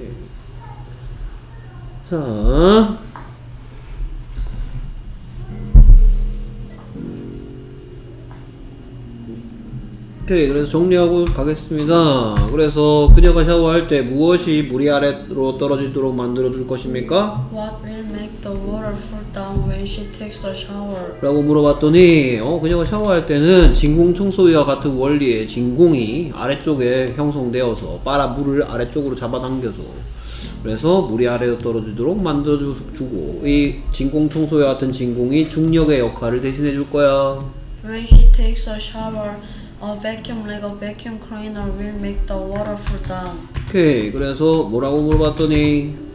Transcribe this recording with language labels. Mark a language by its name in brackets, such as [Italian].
[Korean] 오케이. 자. 오케이, 그래서 정리하고 가겠습니다. 그래서 그녀가 샤워할 때 무엇이 물이 아래로 떨어지도록 만들어 줄 것입니까? [English] What will make the water fall down when she takes a shower? [Korean] 라고 물어봤더니 그녀가 샤워할 때는 진공 청소기와 같은 원리에 진공이 아래쪽에 형성되어서 빨아 물을 아래쪽으로 잡아당겨서 그래서 물이 아래로 떨어지도록 만들어 주고 이 진공 청소기와 같은 진공이 중력의 역할을 대신해 줄 거야. [English] When she takes a shower, a vacuum like a vacuum cleaner will make the water fall down. [Korean] 오케이, 그래서 뭐라고 물어봤더니